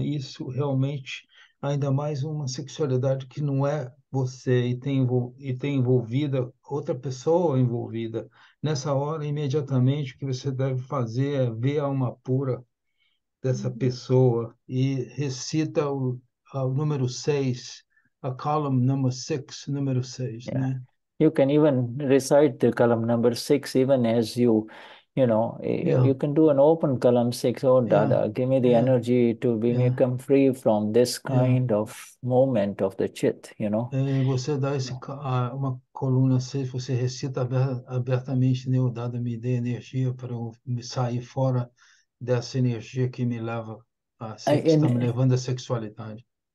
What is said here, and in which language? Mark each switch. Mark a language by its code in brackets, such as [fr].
[pt] Isso realmente, ainda mais uma sexualidade que não é você e tem envolvida outra pessoa envolvida. Nessa hora, imediatamente, o que você deve fazer é ver a alma pura dessa pessoa e recita o número 6, [en] a column number 6, [pt] número 6, né? [en] You can even recite the column number 6 even as you, you know, you can do an open column 6, oh Dada, give me the energy to be become free from this kind of moment of the chit, you know. [pt] E você dá uma coluna 6, você recita abertamente, né, o Dada, me dê energia para eu sair fora dessa energia que me leva a ser, que está me levando à sexualidade.